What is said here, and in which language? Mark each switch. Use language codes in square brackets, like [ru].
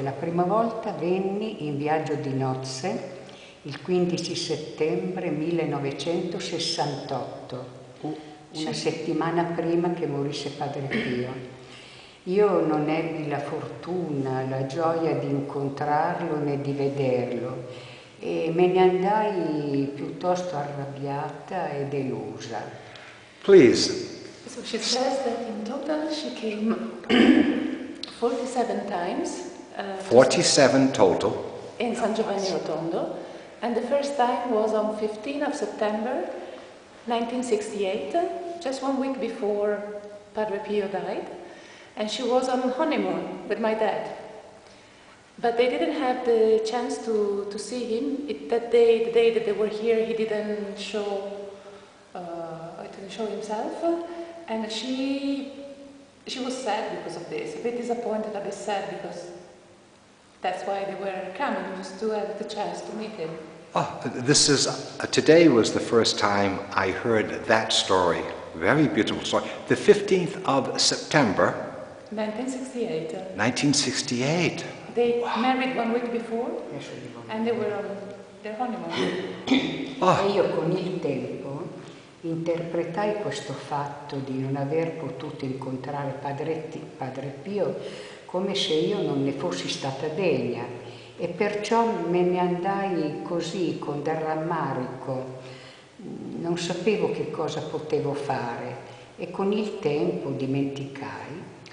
[it] La prima volta venni in viaggio di nozze il 15 settembre 1968, una settimana prima che morisse Padre Pio. Io non ebbi la fortuna, la gioia di incontrarlo né di vederlo e me ne andai piuttosto arrabbiata e delusa. [en] Please. So she says that in total she came 47 times. 47 total. In San Giovanni Rotondo. And the first time was on 15 of September 1968, just 1 week before Padre Pio died. And she was on honeymoon with my dad. But they didn't have the chance to see him. The day that they were here, he didn't show himself. And she was sad because of this, a bit disappointed, a bit sad, because that's why they were coming, just to have the chance to meet him. Oh, this is, today was the first time I heard that story, very beautiful story. The 15th of September. 1968. They married 1 week before, and they were on their honeymoon. [it] E io con il tempo interpretai questo fatto di non aver potuto incontrare Padre Pio come se io non ne fossi stata degna e perciò me ne andai così con del rammarico, non sapevo che cosa potevo fare e con il tempo dimenticai.